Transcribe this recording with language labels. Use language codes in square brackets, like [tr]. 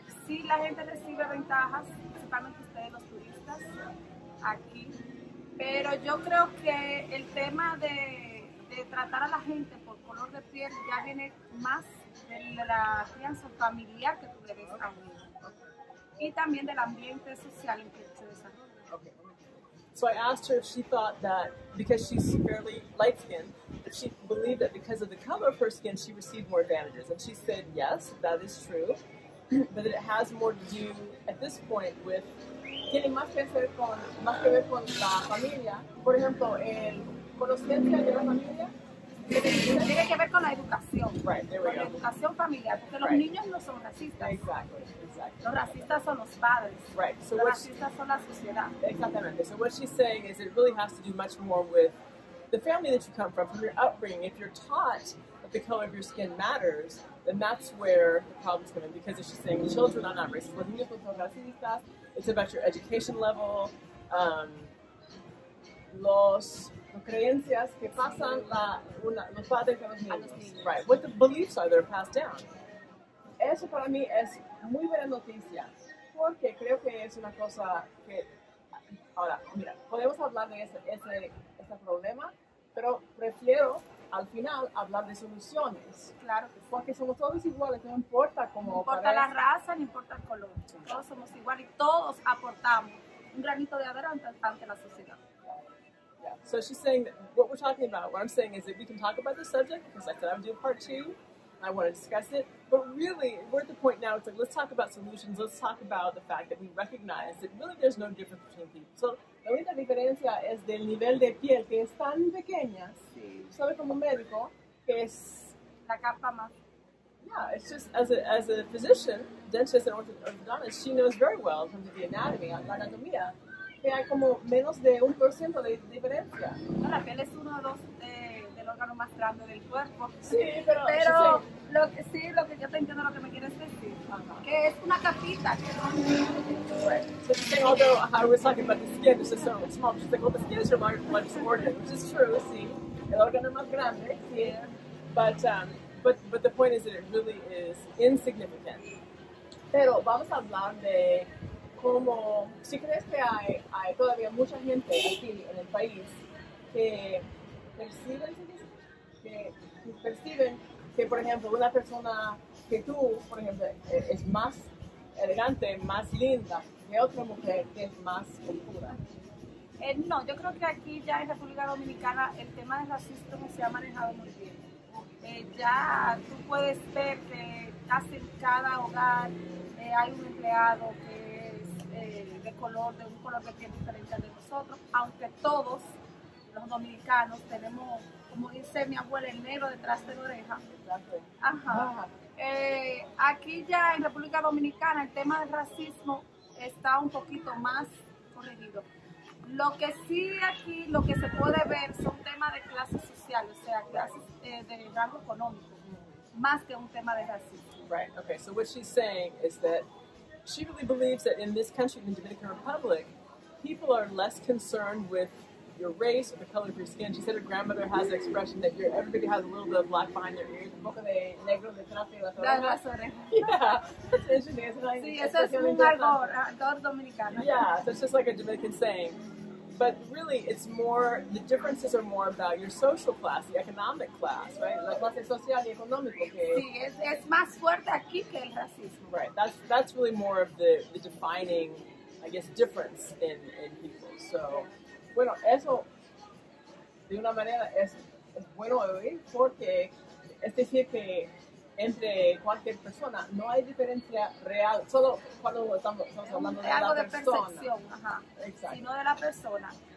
[es] Sí, la gente recibe ventajas, principalmente ustedes los turistas aquí, pero yo creo que el tema de tratar a la gente por color de piel ya viene más de la crianza familiar que tú debes tener, y también del ambiente social en que se desarrolla. [en] So I asked her if she thought that, because she's fairly light-skinned, if she believed that because of the color of her skin, she received more advantages. And she said, yes, that is true, but that it has more to do, at this point, with... [es] Tiene más que ver con la familia. Por ejemplo, el conocimiento de la familia. Tiene que ver con la educación. [en] Right, there we go. [es] Con la educación familiar, porque los niños no son racistas. [en] Exactly. [es] Los racistas son los padres. [en] Right. [es] So los racistas son la sociedad. [en] Exactamente. So what she's saying is it really has to do much more with the family that you come from your upbringing. If you're taught that the color of your skin matters, then that's where the problems come in. Because if she's saying children are not racist, [es] los niños son racistas, [en] it's about your education level, los... [es] creencias que pasan los padres a los niños. [en] Right, what the beliefs are that are passed down. [es] Eso para mí es muy buena noticia, porque creo que es una cosa que, ahora, mira, podemos hablar de ese problema, pero prefiero al final hablar de soluciones. Claro. Porque somos todos iguales, no importa cómo. No importa la raza, no importa el color. Todos somos iguales y todos aportamos un granito de arena ante la sociedad. [en] So she's saying that what we're talking about, what I'm saying is that we can talk about this subject, because like I said, I would do part two, and I want to discuss it, but really, we're at the point now, it's like, let's talk about solutions, let's talk about the fact that we recognize that really there's no difference between people. So, [es] la única diferencia es del nivel de piel, que es tan pequeña, sí. Sabe como médico, que es la capa más. [en] Yeah, it's just, as a physician, dentist and orthodontist, she knows very well in terms of the anatomy, [es] la anatomía, que hay como menos de 1% de diferencia. No, la piel es uno del órgano más grande del cuerpo. Sí, pero lo que sí, lo que yo te entiendo lo que me quieres decir. Uh-huh. Que es una capita. [en] Right. So she's saying, although I was talking about the skin, it's just so small. She's like, well, the skin is your largest organ, which is true, sí. [es] El órgano más grande, sí. [en] But the point is that it really is insignificant. [es] Pero vamos a hablar de como, si crees que hay todavía mucha gente aquí en el país que perciben que, por ejemplo, una persona que tú, por ejemplo, es más elegante, más linda que otra mujer que es más oscura. No, yo creo que aquí ya en República Dominicana el tema del racismo se ha manejado muy bien. Ya tú puedes ver que casi en cada hogar hay un empleado que de un color de piel diferente al de nosotros, aunque todos los dominicanos tenemos, como dice mi abuela, el negro detrás de la oreja. Ajá. Aquí ya en República Dominicana el tema del racismo está un poquito más corregido. Lo que sí aquí, lo que se puede ver son temas de clases sociales, o sea, clases de rango económico, más que un tema de racismo. [en] Right. Okay. So what she's saying is that she really believes that in this country, in the Dominican Republic, people are less concerned with your race or the color of your skin. She said her grandmother has the expression that everybody has a little bit of black behind their ears. [es] Un poco de negro detrás de las orejas. [en] Yeah. [es] Sí, eso es un ardor dominicano. [en] Yeah, so it's just like a Dominican saying. But really, it's more, the differences are more about your social class, the economic class, right? [es] La clase social y económico. Sí, es más fuerte aquí que el racismo. [en] Right, that's really more of the defining, I guess, difference in people. [es] So, bueno, eso, de una manera, es bueno hoy, porque es decir que entre cualquier persona no hay diferencia real, solo cuando estamos hablando de la algo de persona. Percepción, ajá, exacto. Sino de la persona.